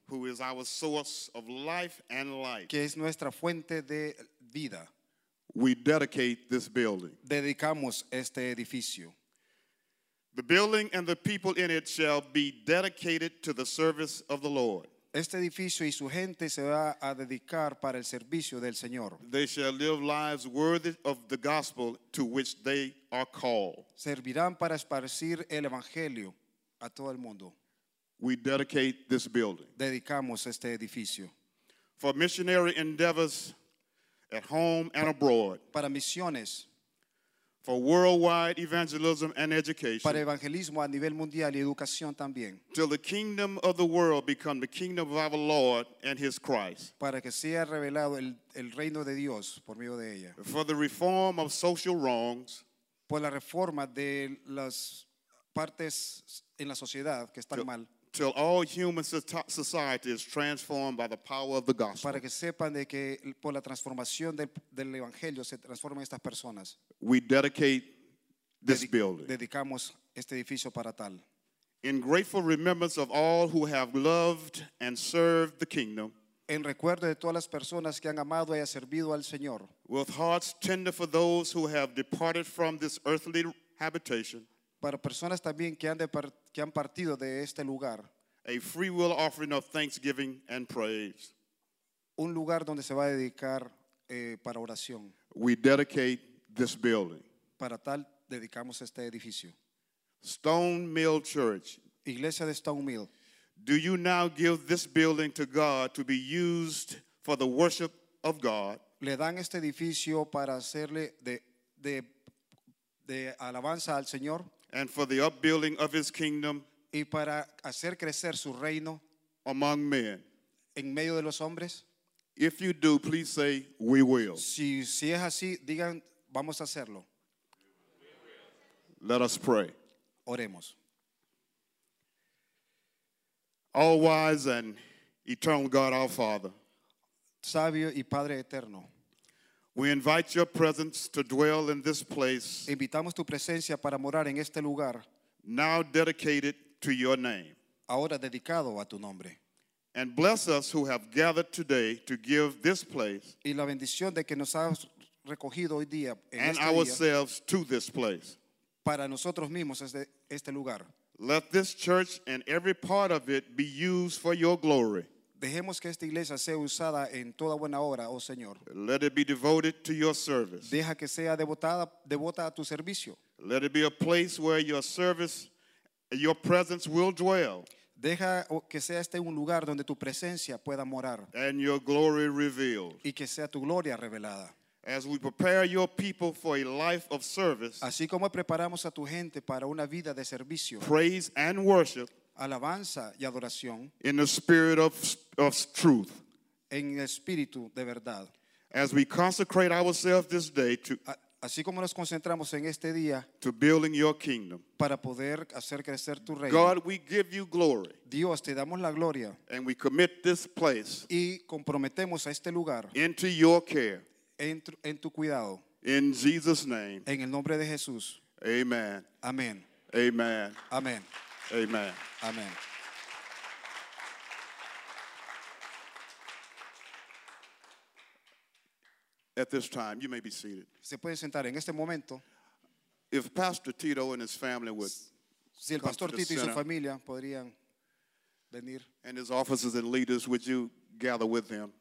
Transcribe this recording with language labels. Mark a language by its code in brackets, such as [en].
[en] who is our source of life and light, [es] que es nuestra fuente de vida. [en] We dedicate this building. [es] Dedicamos este edificio. [en] The building and the people in it shall be dedicated to the service of the Lord. [es] Este edificio y su gente se va a dedicar para el servicio del Señor. [en] They shall live lives worthy of the gospel to which they are called. [es] Servirán para esparcir el evangelio a todo el mundo. [en] We dedicate this building. [es] Dedicamos este edificio. [en] For missionary endeavors at home and abroad. [es] Para misiones. [en] For worldwide evangelism and education. [es] Para evangelismo a nivel mundial y educación también. [en] Till the kingdom of the world become the kingdom of our Lord and his Christ. [es] Para que sea revelado el reino de Dios por medio de ella. [en] For the reform of social wrongs. [es] Por la reforma de las partes en la sociedad que están mal. [en] Till all human society is transformed by the power of the gospel. [es] Para que sepan de que por la transformación del evangelio se transformen estas personas. [en] We dedicate this building. [es] Dedicamos este edificio para tal. [en] In grateful remembrance of all who have loved and served the kingdom. [es] En recuerdo de todas las personas que han amado y han servido al Señor. [en] With hearts tender for those who have departed from this earthly habitation. [es] Para personas también que han partido de este lugar. [en] A free will offering of thanksgiving and praise. [es] Un lugar donde se va a dedicar para oración. [en] We dedicate this building. [es] Para tal dedicamos este edificio. [en] Stone Mill Church. [es] Iglesia de Stone Mill. [en] Do you now give this building to God to be used for the worship of God? [es] Le dan este edificio para hacerle de alabanza al Señor. [en] And for the upbuilding of his kingdom. [es] Y para hacer crecer su reino. [en] Among men. [es] En medio de los hombres. [en] If you do, please say, we will. [es] Si es así, digan, vamos a hacerlo. [en] Let us pray. [es] Oremos. [en] All wise and eternal God, our Father. [es] Sabio y Padre eterno. [en] We invite your presence to dwell in this place. [es] Invitamos tu presencia para morar en este lugar. [en] Now dedicated to your name. [es] Ahora dedicado a tu nombre. [en] And bless us who have gathered today to give this place. [es] Y la bendición de que nos has recogido hoy día en este día. [en] And ourselves to this place. [es] para nosotros mismos este lugar. [en] Let this church and every part of it be used for your glory. [es] Dejemos que esta iglesia sea usada en toda buena obra, oh Señor. [en] Let it be devoted to your service. [es] Deja que sea devota a tu servicio. [en] Let it be a place where your service, your presence will dwell. [es] Deja que sea este un lugar donde tu presencia pueda morar. [en] And your glory revealed. [es] Y que sea tu gloria revelada. [en] As we prepare your people for a life of service, [es] así como preparamos a tu gente para una vida de servicio, [en] praise and worship, [es] alabanza y adoración, [en] in the spirit of truth, [es] en el espíritu de verdad. [en] As we consecrate ourselves this day to, [es] así como nos concentramos en este día, [en] to building your kingdom, [es] para poder hacer crecer tu reino. [en] God, we give you glory. [es] Dios, te damos la gloria. [en] And we commit this place, [es] y comprometemos a este lugar, [en] into your care, [es] en tu cuidado. [en] In Jesus' name. [es] En el nombre de Jesús. [en] Amen. [es] Amen. [en] Amen. [es] Amen. [en] Amen. [es] Amen. [en] At this time, you may be seated. [es] Se pueden sentar en este momento. [en] If Pastor Tito and his family would, [es] si el Pastor Tito y su familia podrían venir, [en] and his officers and leaders, would you gather with them?